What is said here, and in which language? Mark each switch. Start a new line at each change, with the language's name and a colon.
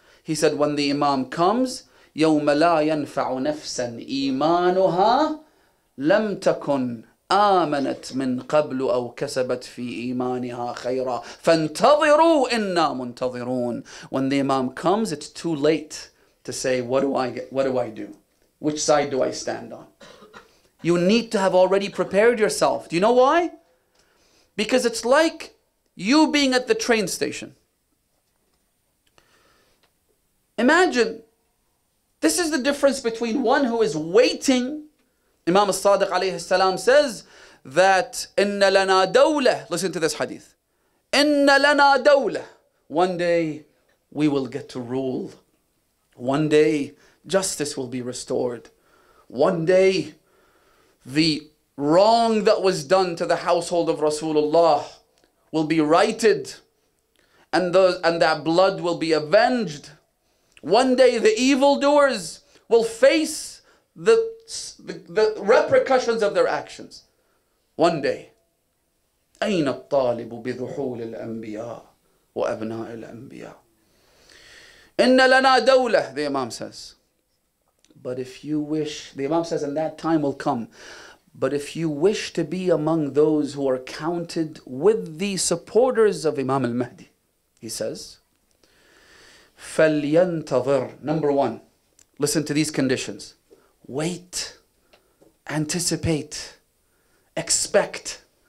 English: He said, when the Imam comes,
Arabic: يَوْمَ لَا يَنْفَعُ نَفْسًا إِيمَانُهَا لَمْ تَكُنْ آمنت من قبل أو كسبت في إيمانها خيرا فانتظروا إنا منتظرون.
English: When the Imam comes, it's too late to say, what do I do? Which side do I stand on? You need to have already prepared yourself. Do you know why? Because it's like you being at the train station. Imagine, this is the difference between one who is waiting. Imam al-Sadiq alayhi salam says that
Arabic: inna lana dawla,
English: listen to this hadith, inna lana dawla, one day we will get to rule, one day justice will be restored, one day the wrong that was done to the household of Rasulullah will be righted, and that blood will be avenged, one day the evildoers will face the repercussions of their actions. One day.
Arabic: أَيْنَ الطَّالِبُ بِذُحُولِ الْأَنْبِيَاءِ وَأَبْنَاءِ الْأَنْبِيَاءِ إِنَّ لَنَا دَوْلَةِ,
English: the Imam says. But if you wish, the Imam says, and that time will come. But if you wish to be among those who are counted with the supporters of Imam al-Mahdi, he says,
Arabic: فَلْيَنْتَظِرْ.
English: Number one, listen to these conditions. Wait, anticipate, expect.